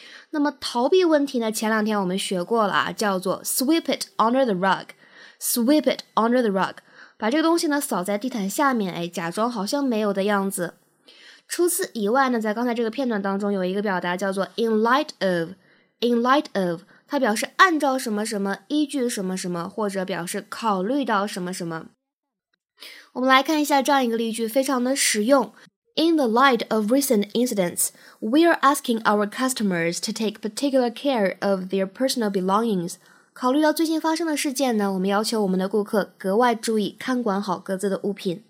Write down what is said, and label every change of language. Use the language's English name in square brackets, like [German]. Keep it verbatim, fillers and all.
[Chinese] 那么逃避问题呢，前两天我们学过了啊，叫做 [English] sweep it under the rug [Chinese] sweep it under the rug 把这个东西呢扫在地毯下面，哎，假装好像没有的样子。除此以外呢，在刚才这个片段当中有一个表达叫做 [English] in light of [Chinese] in light of 它表示按照什么什么，依据什么什么，或者表示考虑到什么什么。我们来看一下这样一个例句，非常的实用。 [English] In the light of recent incidents, we are asking our customers to take particular care of their personal belongings. [Chinese] 考虑到最近发生的事件呢，我们要求我们的顾客格外注意看管好各自的物品。